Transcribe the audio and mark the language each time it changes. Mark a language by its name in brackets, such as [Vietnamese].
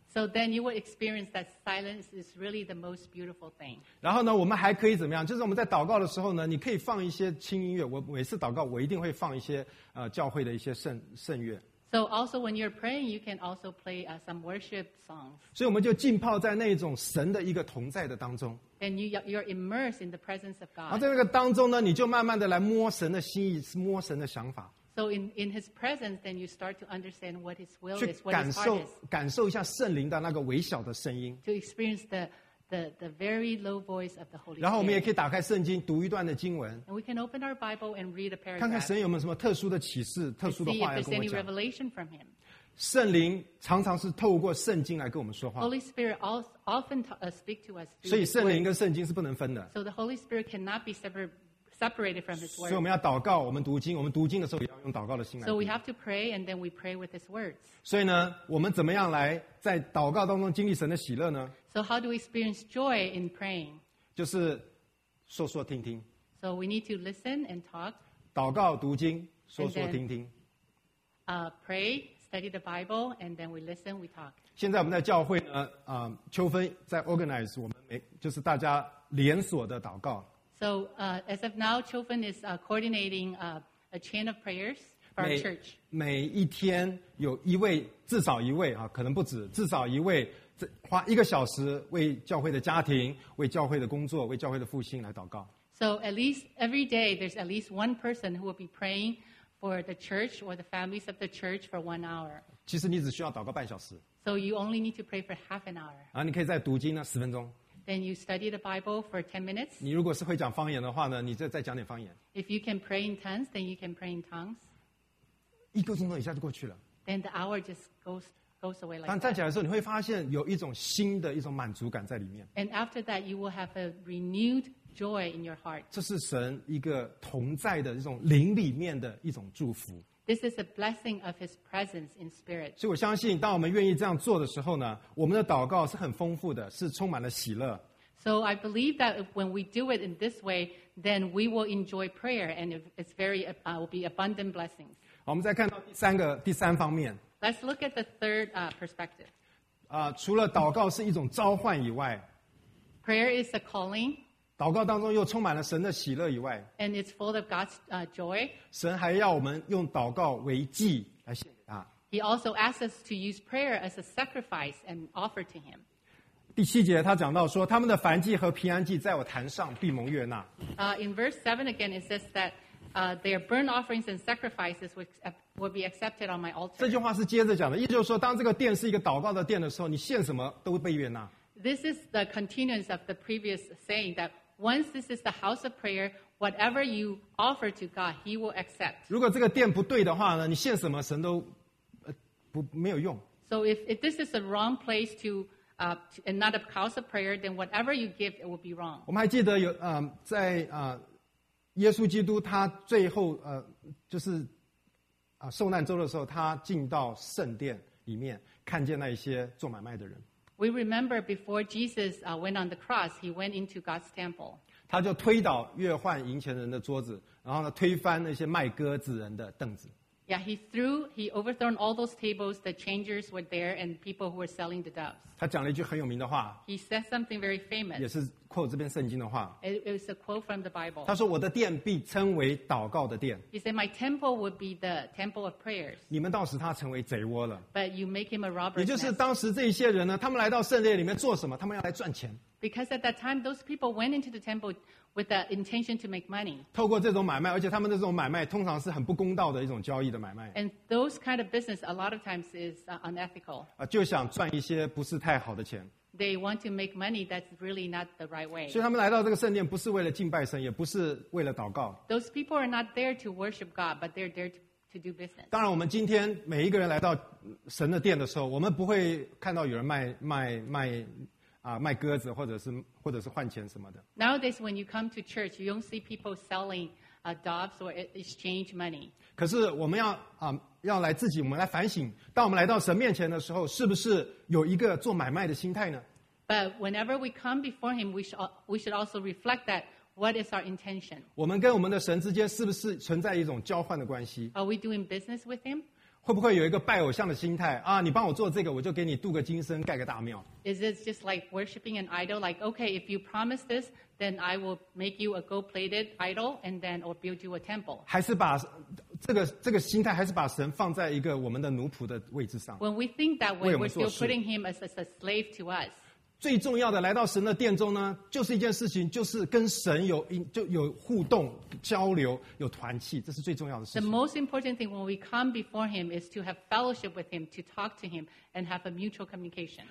[English] So then you will experience that silence is really the most beautiful thing. [Chinese] 然后呢，我们还可以怎么样？就是我们在祷告的时候呢，你可以放一些轻音乐。我每次祷告，我一定会放一些教会的一些圣乐。 [English] So also when you're praying, you can also play some worship songs. [Chinese] 所以我们就浸泡在那种神的一个同在的当中。 [English] And you're immersed in the presence of God. [Chinese] 然后在那个当中呢，你就慢慢的来摸神的心意，摸神的想法。 [English] So in His presence, then you start to understand what His will is, what His heart is. [Chinese] 感受一下圣灵的那个微小的声音。 [English] To experience the very low voice of the Holy Spirit. [Chinese] 然后我们也可以打开圣经，读一段的经文。 [English] And we can open our Bible and read a paragraph. [Chinese] 看看神有没有什么特殊的启示，特殊的话要跟我讲。 [English] See if there's any revelation from Him. [Chinese] 圣灵常常是透过圣经来跟我们说话。 [English] Holy Spirit often speak to us. [Chinese] 所以圣灵跟圣经是不能分的。 [English] So the Holy Spirit cannot be severed. Separated from His word. [Chinese] 所以我们要祷告，我们读经，我们读经的时候也要用祷告的心来读。 [English] So we have to pray, and then we pray with His words. [Chinese] 所以呢，我们怎么样来在祷告当中经历神的喜乐呢 [English] ？So how do we experience joy in praying? [Chinese] 就是说说听听。 [English] So we need to listen and talk. [Chinese] 祷告、读经、说说听听。 [English] Then, pray, study the Bible, and then we listen, we talk. [Chinese] 现在我们在教会呢，秋芬在 [English] organize [Chinese] 我们就是大家连锁的祷告。 [English] So as of now, Chofen is coordinating a chain of prayers for our church. [Chinese] 每一天有一位，至少一位啊，可能不止，至少一位，花一个小时为教会的家庭、为教会的工作、为教会的复兴来祷告。 [English] So at least every day, there's at least one person who will be praying for the church or the families of the church for 1 hour. [Chinese] 其实你只需要祷告半小时。 [English] So you only need to pray for half an hour. [Chinese] 啊，你可以再读经呢，十分钟。 [English] Then you study the Bible for 10 minutes. [Chinese] 你如果是会讲方言的话呢，你再讲点方言。 [English] If you can pray in tongues, then you can pray in tongues. [Chinese] 一个钟头一下就过去了。 [English] Then the hour just goes away like that. [Chinese] 当站起来的时候，你会发现有一种新的一种满足感在里面。 [English] And after that, you will have a renewed joy in your heart. [Chinese] 这是神一个同在的一种灵里面的一种祝福。 [English] This is a blessing of His presence in spirit. [Chinese] 所以我相信，当我们愿意这样做的时候呢，我们的祷告是很丰富的，是充满了喜乐。 [English] So I believe that when we do it in this way, then we will enjoy prayer, and it's very will be abundant blessings. [Chinese] 我们再看到第三方面。 [English] Let's look at the third perspective. [Chinese] 除了祷告是一种召唤以外 [English] ，prayer is a calling. [Chinese] 祷告当中又充满了神的喜乐以外 [English] ，and it's full of God's joy. [Chinese] 神还要我们用祷告为祭来献给他。 [English] He also asks us to use prayer as a sacrifice and offer to Him. [Chinese] 第七节他讲到说，他们的燔祭和平安祭在我坛上必蒙悦纳。 [English] In verse 7 again, it says that their burnt offerings and sacrifices will be accepted on my altar. [Chinese] 这句话是接着讲的，意思就是说，当这个殿是一个祷告的殿的时候，你献什么都会被悦纳。 [English] This is the continuance of the previous saying that once this is the house of prayer, whatever you offer to God, He will accept. [Chinese] 如果这个殿不对的话呢，你献什么神都没有用。 [English] So if this is the wrong place to and not a house of prayer, then whatever you give, it will be wrong. [Chinese] 我们还记得有在耶稣基督他最后就是受难周的时候，他进到圣殿里面，看见那些做买卖的人。 [English] We remember before Jesus went on the cross, he went into God's temple. [Chinese] 他就推倒月换银钱人的桌子，然后呢推翻那些卖鸽子人的凳子。 [English] Yeah, he overthrown all those tables, the changers were there, and people who were selling the doves. [Chinese] 他讲了一句很有名的话。 [English] He said something very famous. [Chinese] 也是 [English] quote [Chinese] 这边圣经的话。 [English] It was a quote from the Bible. [Chinese] 他说我的殿必称为祷告的殿。 [English] He said my temple would be the temple of prayers. [Chinese] 你们到时他成为贼窝了。 [English] But you make him a robber. [Chinese] 也就是当时这些人呢，他们来到圣殿里面做什么？他们要来赚钱。 [English] Because at that time, those people went into the temple with the intention to make money. [Chinese] 透过这种买卖，而且他们的这种买卖通常是很不公道的一种交易的买卖。 [English] And those kind of business a lot of times is unethical. [Chinese] 就想赚一些不是太好的钱。 [English] They want to make money that's really not the right way. [Chinese] 所以他们来到这个圣殿不是为了敬拜神，也不是为了祷告。 [English] Those people are not there to worship God, but they're there to do business. [Chinese] 当然，我们今天每一个人来到神的殿的时候，我们不会看到有人卖鸽子或者是换钱什么的。 [English] Nowadays, when you come to church, you don't see people selling doves or exchange money. [Chinese] 可是我们要来自己，我们来反省，当我们来到神面前的时候，是不是有一个做买卖的心态呢 [English] ？But whenever we come before Him, we should also reflect that what is our intention. [Chinese] 我们跟我们的神之间是不是存在一种交换的关系 [English] ？Are we doing business with Him? [Chinese] 会不会有一个拜偶像的心态啊？你帮我做这个，我就给你镀个金身，盖个大庙。 [English] Is it just like worshiping an idol? Like, okay, if you promise this, then I will make you a gold-plated idol, and then or build you a temple. [Chinese] 还是把这个心态，还是把神放在一个我们的奴仆的位置上。 [English] When we think that way, we're still putting him as a slave to us. [Chinese] 最重要的，来到神的殿中呢，就是一件事情，就是跟神有互动、交流、有团契，这是最重要的事情。 [English] The most important thing when we come before him is to have fellowship with him, to talk to him, and have a mutual communication.